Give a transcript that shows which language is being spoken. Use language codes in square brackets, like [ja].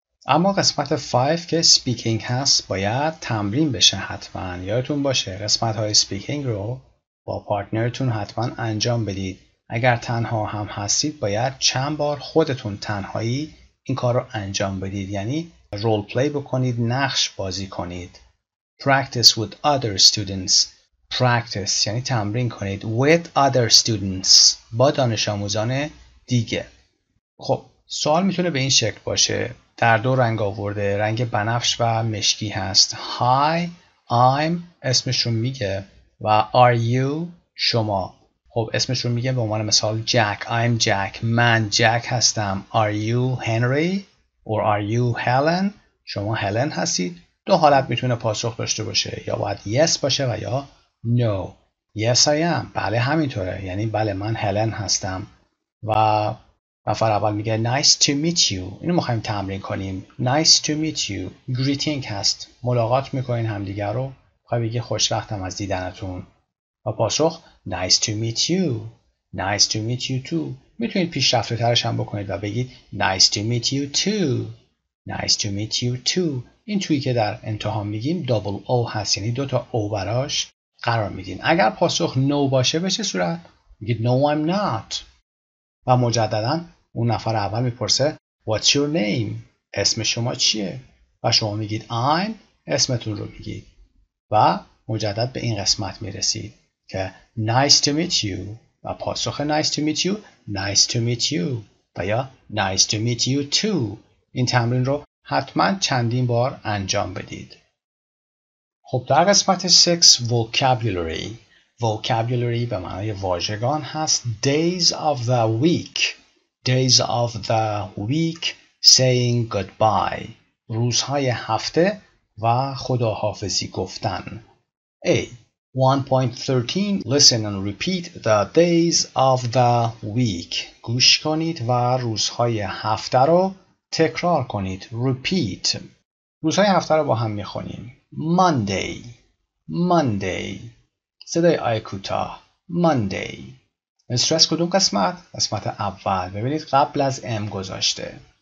[fa] اما قسمت 5 که speaking هست باید تمرین بشه حتما. یادتون باشه قسمت های speaking رو با پارتنرتون حتما انجام بدید. اگر تنها هم هستید باید چند بار خودتون تنهایی این کار رو انجام بدید. یعنی رول پلی بکنید، نقش بازی کنید. [en] Practice with other students. [fa] Practice یعنی تمرین کنید. With other students با دانش آموزان دیگه. خب سوال میتونه به این شکل باشه، در دو رنگ آورده، رنگ بنفش و مشکی هست. [en] Hi, I'm [fa] اسمشون میگه و [en] Are you [fa] شما. خب اسمشون میگه به عنوان مثال Jack, [en] I'm Jack. [fa] من Jack هستم. [en] Are you Henry or are you Helen. [fa] شما Helen هستید. دو حالت میتونه پاسخ داشته باشه، یا باید Yes باشه و یا No. [en] Yes I am. [fa] بله همینطوره، یعنی بله من Helen هستم. و نفر اول میگه [en] Nice to meet you. [fa] اینو میخواییم تمرین کنیم. [en] Nice to meet you. Greeting هست. [fa] ملاقات میکنین همدیگر رو. خواهی بگی خوش وقتم از دیدنتون. و پاسخ [en] Nice to meet you. Nice to meet you too. [fa] میتونید پیش رفته ترش هم بکنید و بگید [en] Nice to meet you too. Nice to meet you too. [fa] این تویی که در انتها میگیم double O هست. یعنی دوتا O براش قرار میدین. اگر پاسخ No باشه به چه صورت؟ میگید [en] No I'm not. [fa] و مجدداً اون نفر اول میپرسه [en] What's your name؟ [fa] اسم شما چیه؟ و شما میگید I'm، اسمتون رو میگید و مجدد به این قسمت میرسید که Nice to meet you و پاسخ Nice to meet you Nice to meet you و یا [en] Nice to meet you too. [fa] این تمرین رو حتماً چندین بار انجام بدید. خب در قسمت 6 Vocabulary. Vocabulary به معنای واژگان هست. [en] Days of the week. Days of the week. Saying goodbye. [fa] روزهای هفته و خداحافظی گفتن. A. 1.13. [en] Listen and repeat the days of the week. [fa] گوش کنید و روزهای هفته رو تکرار کنید. [en] Repeat. [fa] روزهای هفته رو با هم میخونیم. [en] Monday. Monday. [fa] صدای آی کوتاه. [en] Monday. [fa] استرس کدوم قسمت؟ قسمت اول. ببینید قبل از ام گذاشته.